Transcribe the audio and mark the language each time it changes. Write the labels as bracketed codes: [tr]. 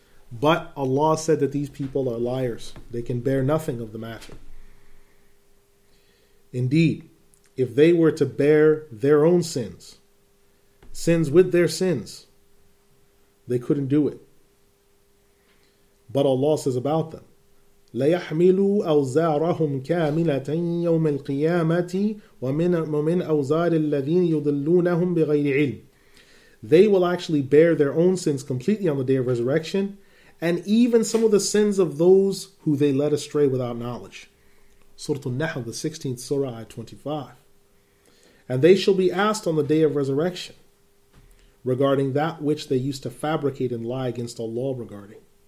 [en] But Allah said that these people are liars. They can bear nothing of the matter. Indeed, if they were to bear their own sins, sins with their sins, they couldn't do it. [ar] But Allah says about them, لَيَحْمِلُوا أَوْزَارَهُمْ كَامِلَةً يَوْمَ الْقِيَامَةِ وَمِنْ أَوْزَارِ الَّذِينَ يُضِلُّونَهُمْ بِغَيْرِ عِلْمٍ. [en] They will actually bear their own sins completely on the day of resurrection, and even some of the sins of those who they led astray without knowledge. Surah An-Nahl, the 16th surah, ayah 25. And they shall be asked on the day of resurrection regarding that which they used to fabricate and lie against Allah regarding.